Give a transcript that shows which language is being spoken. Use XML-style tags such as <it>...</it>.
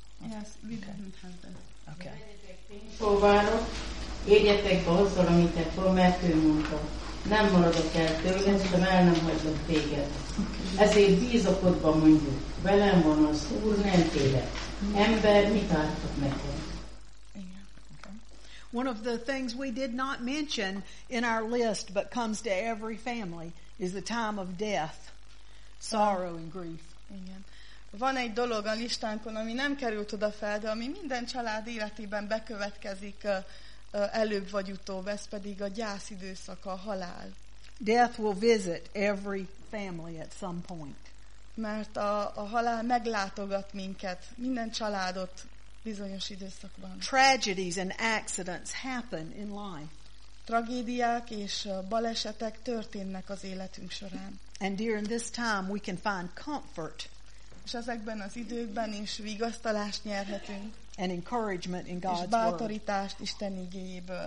<en>Yes, we didn't have that. Okay.</en> <hu>Fóvárok, érjetek be azzal, amit egy promettő mondta. Nem maradok el tőled, sem el nem hagylak téged. Ezért bízakodban mondjuk, velem van az Úr, nem téged. Ember, mit ártok neked?</hu> <en>One of the things we did not mention in our list, but comes to every family, is the time of death, sorrow and grief.</en> <hu>Igen. Van egy dolog a listánkon, ami nem került oda fel, de ami minden család életében bekövetkezik előbb vagy utóbb, ez pedig a gyász időszaka, a halál.</hu> <en>Death will visit every family at some point.</en> <hu>Mert a halál meglátogat minket, minden családot bizonyos időszakban.</hu> <en>Tragedies and accidents happen in life.</en> <hu>Tragédiák és balesetek történnek az életünk során.</hu> <en>And during this time we can find comfort.</en> <hu>És ezekben az időkben is vigasztalást nyerhetünk.</hu> <en>An encouragement in God's word.</en> <hu>És bátorítást Isten igéjéből.</hu>